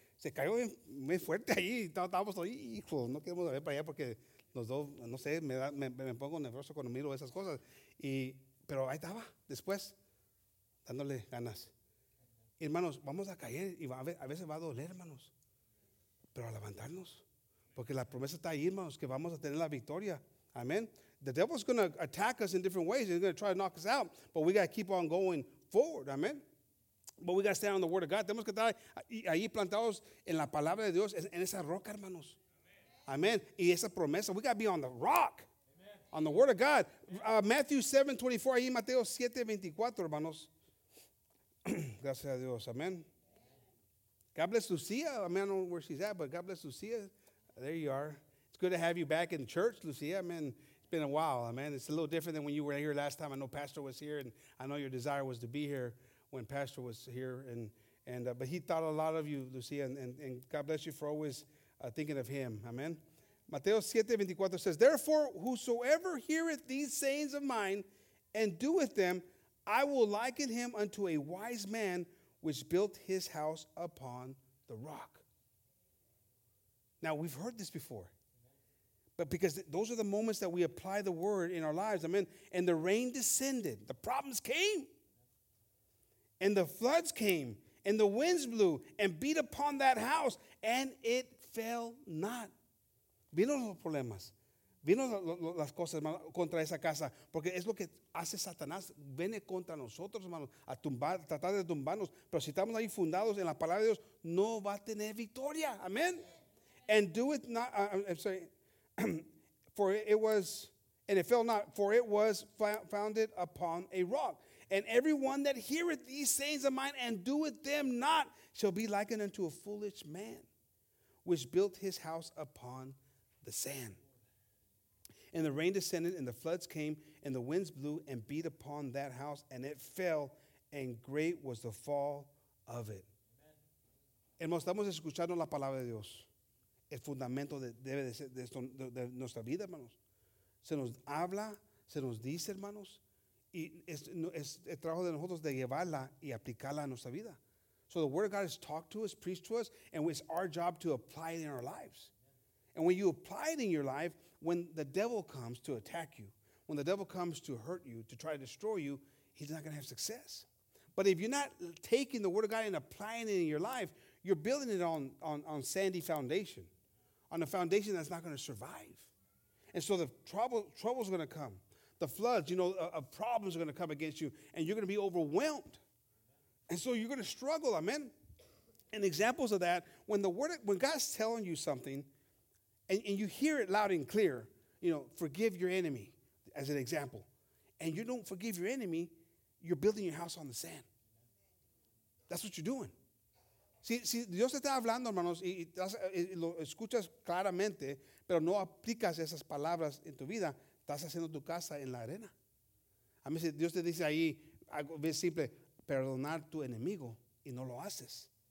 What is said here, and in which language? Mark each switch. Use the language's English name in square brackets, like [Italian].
[Spanish] Se cayó muy fuerte ahí. Estábamos todos, hijo, no queremos ver para allá porque los dos, no sé, me pongo nervioso cuando miro esas cosas. Pero ahí estaba, después, dándole ganas. Hermanos, vamos a caer, y a veces va a doler, hermanos, pero a levantarnos, porque la promesa está ahí, hermanos, que vamos a tener la victoria. Amen. [English] The devil's going to attack us in different ways. He's going to try to knock us out, but we got to keep on going forward. Amen. But we got to stand on the word of God. [Spanish] Tenemos que estar ahí plantados en la palabra de Dios, en esa roca, hermanos. Amen. Y esa promesa, [English] we got to be on the rock, on the word of God. [Spanish] Matthew 7:24, ahí Mateo 7:24, hermanos. Gracias a Dios. Amen. [English] God bless Lucia. I mean, I don't know where she's at, but God bless Lucia. There you are. It's good to have you back in church, Lucia. I mean, it's been a while. Amen. It's a little different than when you were here last time. I know Pastor was here, and I know your desire was to be here when Pastor was here. But he thought a lot of you, Lucia, and God bless you for always thinking of him. Amen. Mateo 7:24 says, therefore, whosoever heareth these sayings of mine and doeth them, I will liken him unto a wise man which built his house upon the rock. Now, we've heard this before. But because those are the moments that we apply the word in our lives. Amen. And the rain descended. The problems came. And the floods came. And the winds blew and beat upon that house. And it fell not. [Spanish] Vino los problemas. Vino las cosas, hermano, contra esa casa, porque es lo que hace Satanás, viene contra nosotros, hermano, a tumbar, tratar de tumbarnos, pero si estamos ahí fundados en la palabra de Dios, no va a tener victoria, amén. [English] And do it not, I'm sorry, for it was, and it fell not, for it was founded upon a rock. And everyone that heareth these sayings of mine and doeth them not shall be likened unto a foolish man which built his house upon the sand. And the rain descended, and the floods came, and the winds blew and beat upon that house, and it fell, and great was the fall of it. [Spanish] Hermanos, estamos escuchando la palabra de Dios. El fundamento debe de ser de nuestra vida, hermanos. Se nos habla, se nos dice, hermanos, y es el trabajo de nosotros de llevarla y aplicarla a nuestra vida. [English] So the word of God is talked to us, preached to us, and it's our job to apply it in our lives. And when you apply it in your life, when the devil comes to attack you, when the devil comes to hurt you, to try to destroy you, he's not going to have success. But if you're not taking the Word of God and applying it in your life, you're building it on sandy foundation, on a foundation that's not going to survive. And so the trouble's going to come. The floods, you know, of problems are going to come against you, and you're going to be overwhelmed. And so you're going to struggle, amen? And examples of that, when God's telling you something, and you hear it loud and clear, you know, forgive your enemy, as an example. And you don't forgive your enemy, you're building your house on the sand. That's what you're doing. [Spanish] Si Dios te está hablando, hermanos, y lo escuchas claramente, pero no aplicas esas palabras en tu vida, estás haciendo tu casa en la arena. A mí, si Dios te dice ahí, algo bien simple, perdonar tu enemigo, y no lo haces.